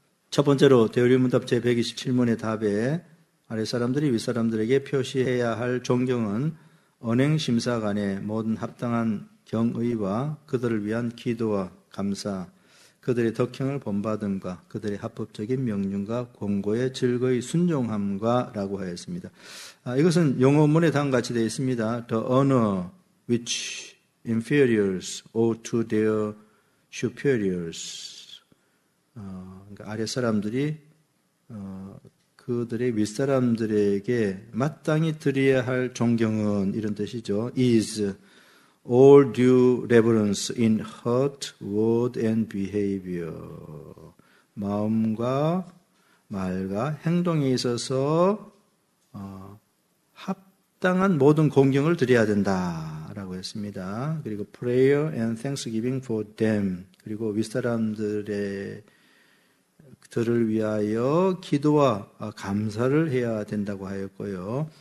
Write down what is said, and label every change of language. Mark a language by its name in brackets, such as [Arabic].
[Korean] 첫 번째로 대우리문답 제127문의 답에 아랫사람들이 윗사람들에게 표시해야 할 존경은 언행심사관의 모든 합당한 경의와 그들을 위한 기도와 감사, 그들의 덕행을 본받음과 그들의 합법적인 명령과 권고의 즐거이 순종함과 라고 하였습니다. 이것은 용어문에 다음과 같이 되어 있습니다. [English] The honor which inferiors owe to their superiors. [Korean] 그러니까 아랫사람들이 그들의 윗사람들에게 마땅히 드려야 할 존경은 이런 뜻이죠. [English] Is all due reverence in heart, word and behavior. [Korean] 마음과 말과 행동에 있어서 합당한 모든 공경을 드려야 된다라고 했습니다. [English] 그리고 prayer and thanksgiving for them. [Korean] 그리고 윗사람들의 들을 위하여 기도와 감사를 해야 된다고 하였고요.